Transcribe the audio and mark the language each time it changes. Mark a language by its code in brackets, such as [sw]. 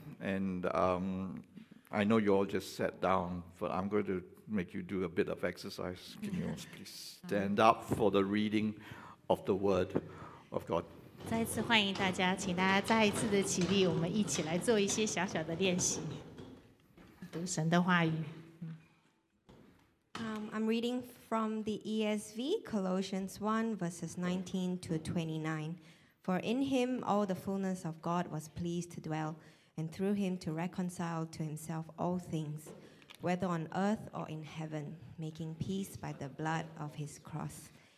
[en] And I know you all just sat down, but I'm going to make you do a bit of exercise. Can you all please stand up for the reading of the Word of God? [zh] 再次欢迎大家，请大家再一次的起立，我们一起来做一些小小的练习，读神的话语。 [en] I'm reading from the ESV, Colossians 1, verses 19 to 29. For in him all the fullness of God was pleased to dwell, and through him to reconcile to himself all things, whether on earth or in heaven, making peace by the blood of his cross.